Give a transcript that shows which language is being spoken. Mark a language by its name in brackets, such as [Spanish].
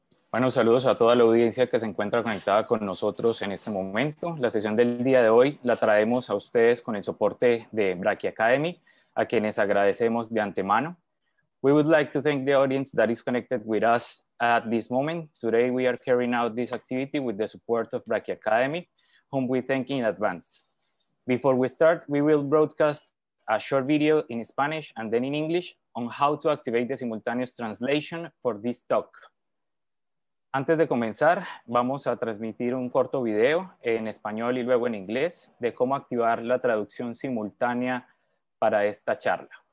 [Spanish] Bueno, saludos a toda la audiencia que se encuentra conectada con nosotros en este momento. La sesión del día de hoy la traemos a ustedes con el soporte de Brachy Academy, a quienes agradecemos de antemano. [English] We would like to thank the audience that is connected with us at this moment. Today we are carrying out this activity with the support of Brachy Academy, whom we thank in advance. Before we start, we will broadcast a short video in Spanish and then in English on how to activate the simultaneous translation for this talk. [Spanish] Antes de comenzar, vamos a transmitir un corto video en español y luego en inglés de cómo activar la traducción simultánea para esta charla.